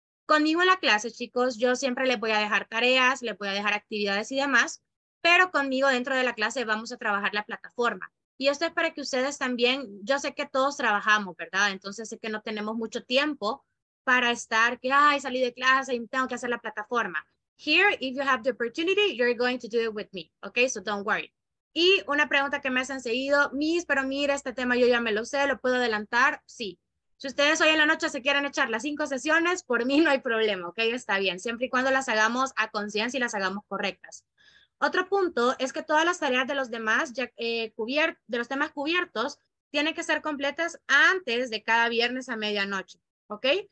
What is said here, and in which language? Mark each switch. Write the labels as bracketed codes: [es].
[es] Conmigo en la clase, chicos, yo siempre les voy a dejar tareas, les voy a dejar actividades y demás, pero conmigo dentro de la clase vamos a trabajar la plataforma. Y esto es para que ustedes también, yo sé que todos trabajamos, ¿verdad? Entonces sé que no tenemos mucho tiempo para estar, que ay, salí de clase y tengo que hacer la plataforma. [en] here, if you have the opportunity, you're going to do it with me. Okay, so don't worry. [es] Y una pregunta que me hacen seguido, Miss, pero mira, este tema yo ya me lo sé, ¿lo puedo adelantar? Sí. Si ustedes hoy en la noche se quieren echar las 5 sesiones, por mí no hay problema, ¿ok? Está bien, siempre y cuando las hagamos a conciencia y las hagamos correctas. Otro punto es que todas las tareas de los demás, ya, de los temas cubiertos, tienen que ser completas antes de cada viernes a medianoche, ¿ok?